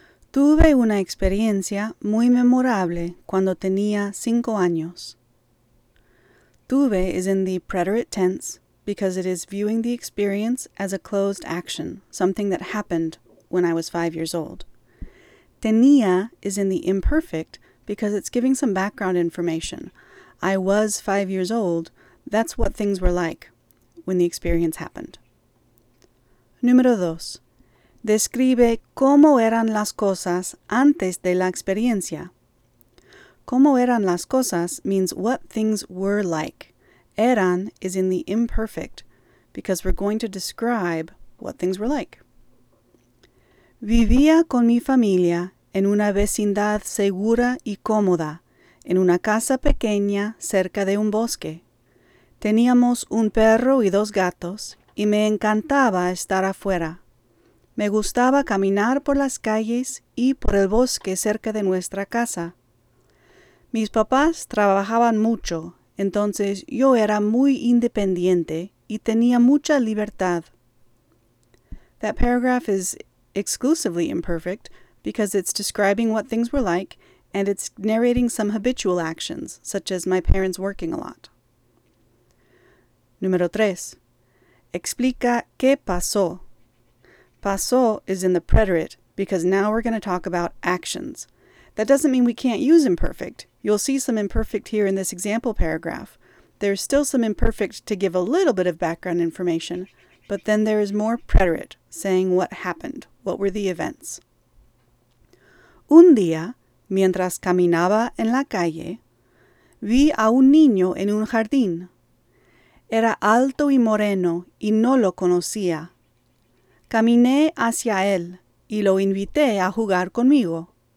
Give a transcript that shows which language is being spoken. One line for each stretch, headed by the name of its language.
Spanish: Tuve una experiencia muy memorable cuando tenía 5 años.
English: Tuve is in the preterite tense because it is viewing the experience as a closed action, something that happened when I was 5 years old. Tenía is in the imperfect because it's giving some background information. I was 5 years old, that's what things were like when the experience happened.
Spanish: Número 2. Describe cómo eran las cosas antes de la experiencia. Cómo eran las cosas
English: means what things were like. Eran is in the imperfect because we're going to describe what things were like.
Spanish: Vivía con mi familia en una vecindad segura y cómoda, en una casa pequeña cerca de un bosque. Teníamos un perro y 2 gatos. Y me encantaba estar afuera. Me gustaba caminar por las calles y por el bosque cerca de nuestra casa. Mis papás trabajaban mucho, entonces yo era muy independiente y tenía mucha libertad.
English: That paragraph is exclusively imperfect because it's describing what things were like and it's narrating some habitual actions, such as my parents working a lot.
Spanish: Número 3. Explica qué pasó.
English: Pasó is in the preterite because now we're going to talk about actions. That doesn't mean we can't use imperfect. You'll see some imperfect here in this example paragraph. There's still some imperfect to give a little bit of background information, but then there is more preterite saying what happened, what were the events.
Spanish: Un día, mientras caminaba en la calle, vi a un niño en un jardín. Era alto y moreno, y no lo conocía. Caminé hacia él, y lo invité a jugar conmigo.